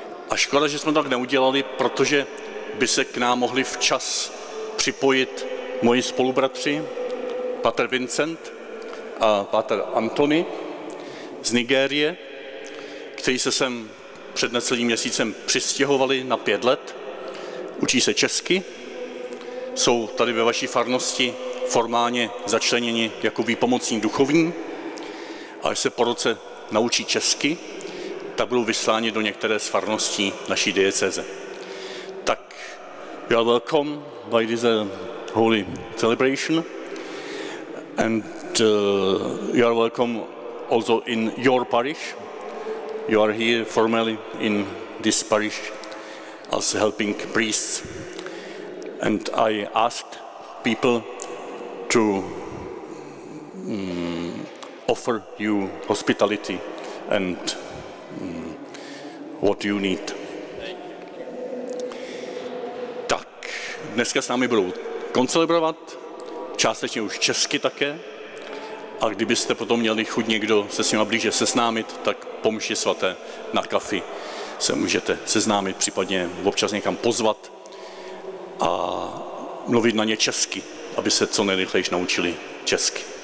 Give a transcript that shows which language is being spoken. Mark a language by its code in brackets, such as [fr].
[cs] A škoda, že jsme to tak neudělali, protože by se k nám mohli včas připojit moji spolubratři, Pater Vincent a Pater Antony z Nigérie, kteří se sem před necelým měsícem přistěhovali na 5 let, učí se česky, jsou tady ve vaší farnosti formálně začleněni jako výpomocní duchovní, a až se po roce naučí česky, tak budou vysláni do některé z farností naší diecéze. [en] Tak, you are welcome by this holy celebration, and you are welcome also in your parish. You are here formally in this parish as helping priests. And I asked people to offer you hospitality and what you need. [cs] Tak, dneska s námi budou koncelebrovat, částečně už česky také, a kdybyste potom měli chuť někdo se s nima blíže seznámit, tak po mši svaté na kafi se můžete seznámit, případně občas někam pozvat a mluvit na ně česky, aby se co nejrychlejiš naučili česky.